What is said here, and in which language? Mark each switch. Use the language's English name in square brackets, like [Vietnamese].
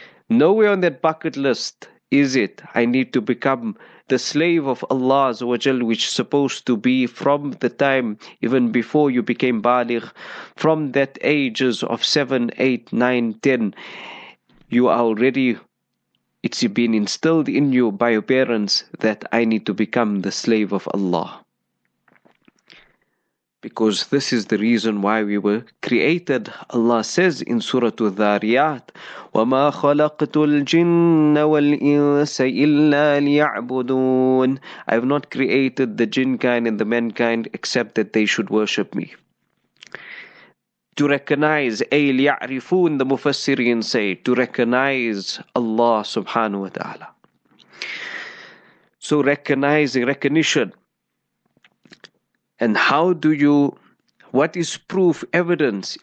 [English] Nowhere on that bucket list is it, I need to become the slave of Allah Azza wa Jal, which is supposed to be from the time, even before you became baligh, from that ages of 7, 8, 9, 10, you are already, it's been instilled in you by your parents that I need to become the slave of Allah. Because this is the reason why we were created. Allah says in Surah Al-Dhariyat, [Arabic] وَمَا خَلَقْتُ الْجِنَّ وَالْإِنسَ إِلَّا لِيَعْبُدُونَ. [English] I have not created the jinnkind and the mankind except that they should worship me. To recognize, [Arabic] أَيْ لِيَعْرِفُونَ, [English] the Mufassirin say, to recognize Allah subhanahu wa ta'ala. So recognizing, recognition. And how do you, what is proof, evidence?